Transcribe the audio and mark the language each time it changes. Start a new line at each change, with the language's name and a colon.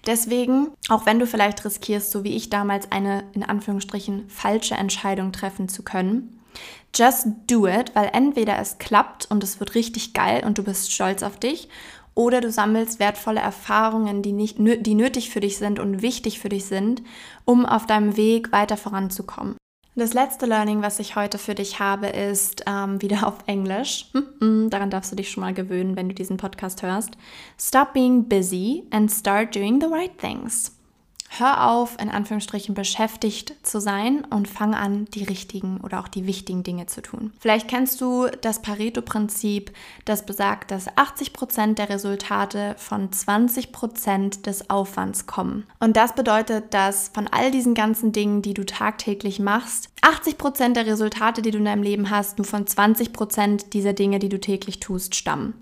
German: Deswegen, auch wenn du vielleicht riskierst, so wie ich damals, eine in Anführungsstrichen falsche Entscheidung treffen zu können,
English: just do it,
German: weil entweder es klappt und es wird richtig geil und du bist stolz auf dich, oder du sammelst wertvolle Erfahrungen, die nötig für dich sind und wichtig für dich sind, um auf deinem Weg weiter voranzukommen. Das letzte Learning, was ich heute für dich habe, ist wieder auf Englisch. Daran darfst du dich schon mal gewöhnen, wenn du diesen Podcast hörst.
English: Stop being busy and start doing the right things.
German: Hör auf, in Anführungsstrichen beschäftigt zu sein und fang an, die richtigen oder auch die wichtigen Dinge zu tun. Vielleicht kennst du das Pareto-Prinzip, das besagt, dass 80% der Resultate von 20% des Aufwands kommen. Und das bedeutet, dass von all diesen ganzen Dingen, die du tagtäglich machst, 80% der Resultate, die du in deinem Leben hast, nur von 20% dieser Dinge, die du täglich tust, stammen.